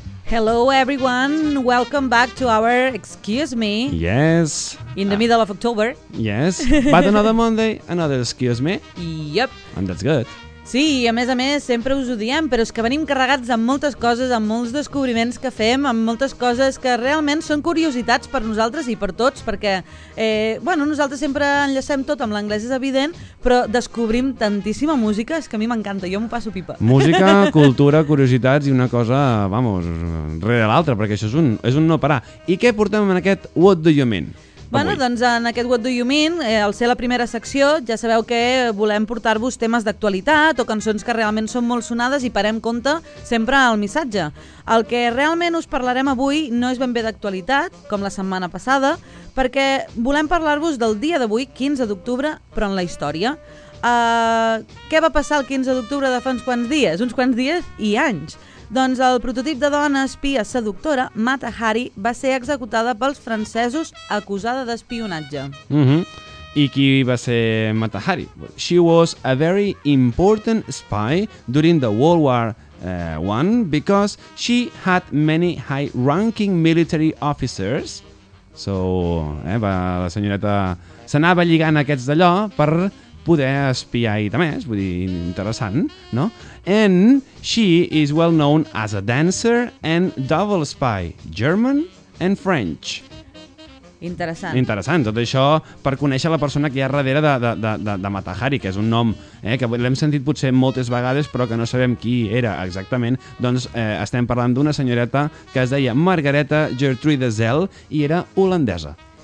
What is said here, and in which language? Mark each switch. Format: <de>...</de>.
<en>Hello everyone, welcome back to our, excuse me. Yes. In the middle of October. Yes, but another Monday, another excuse me. Yep. And that's good.</en> <ca>Sí, a més, sempre us ho diem, però és que venim carregats amb moltes coses, amb molts descobriments que fem, amb moltes coses que realment són curiositats per nosaltres i per tots, perquè, bueno, nosaltres sempre enllacem tot amb l'anglès, és evident, però descobrim tantíssima música, és que a mi m'encanta, jo m'ho passo pipa. Música, cultura, curiositats i una cosa, vamos, rere l'altra, perquè això és un no parar. I què portem en aquest What Do You Mean? Bueno, doncs en aquest What Do You Mean, al ser la primera secció, ja sabeu que volem portar-vos temes d'actualitat o cançons que realment són molt sonades i parem compte sempre al missatge. El que realment us parlarem avui no és ben bé d'actualitat, com la setmana passada, perquè volem parlar-vos del dia d'avui, 15 d'octubre, però en la història. Què va passar el 15 d'octubre de fa uns quants dies? Uns quants dies i anys. Doncs el prototip de dona espia seductora, Mata Hari, va ser executada pels francesos acusada d'espionatge. Mm-hmm. I qui va ser Mata Hari?</ca> <en>She was a very important spy during the World War I because she had many high-ranking military officers.</en> <ca>So, la senyoreta s'anava lligant aquests d'allò per poder espiar i demés, vull dir, interessant, no?</ca> <en>And she is well known as a dancer and double spy, German and French.</en> <ca>Interessant. Interessant, tot això per conèixer la persona que hi ha darrere de Mata Hari, que és un nom que l'hem sentit potser moltes vegades, però que no sabem qui era exactament. Doncs estem parlant d'una senyoreta que es deia Margareta Gertrude Zell i era holandesa.</ca>